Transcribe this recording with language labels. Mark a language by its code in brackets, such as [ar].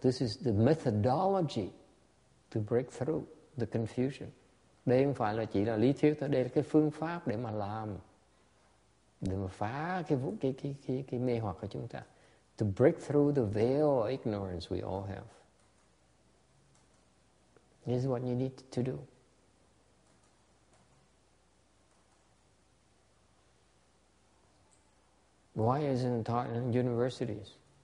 [en] This is the methodology to break through the confusion. [vi] Đây không phải là chỉ là lý thuyết thôi. Đây là cái phương pháp để mà làm, để mà phá cái mê hoặc của chúng ta. [en] To break through the veil of ignorance we all have. This is what you need to do. Why isn't it taught in universities?